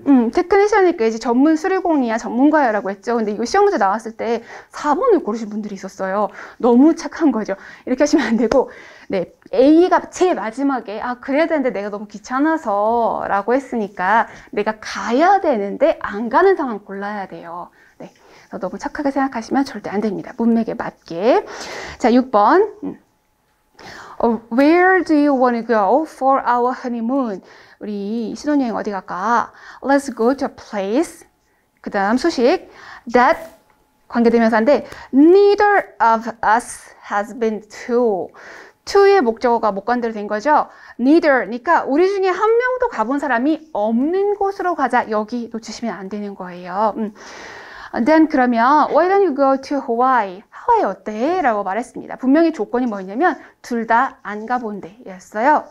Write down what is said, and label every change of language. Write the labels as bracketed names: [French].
[Korean] 테크니션이니까 이제 전문 수리공이야, 전문가야라고 했죠. 근데 이거 시험 문제 나왔을 때 4번을 고르신 분들이 있었어요. 너무 착한 거죠. 이렇게 하시면 안 되고 네, A가 제일 마지막에 아 그래야 되는데 내가 너무 귀찮아서 라고 했으니까 내가 가야 되는데 안 가는 상황 골라야 돼요. 그래서 너무 착하게 생각하시면 절대 안 됩니다. 문맥에 맞게. 자, 6번. [English] Where do you want to go for our honeymoon? [Korean] 우리 신혼여행 어디 갈까? [English] Let's go to a place. [Korean] 그 다음 수식. [English] That [Korean] 관계대명사인데 [English] neither of us has been to. [Korean] to의 목적어가 목관대로 된 거죠. neither니까 우리 중에 한 명도 가본 사람이 없는 곳으로 가자. 여기 놓치시면 안 되는 거예요. [English] Then [Korean] 그러면 [English] why don't you go to Hawaii? [Korean] 하와이 어때? 라고 말했습니다. 분명히 조건이 뭐였냐면 둘다안 가본데였어요.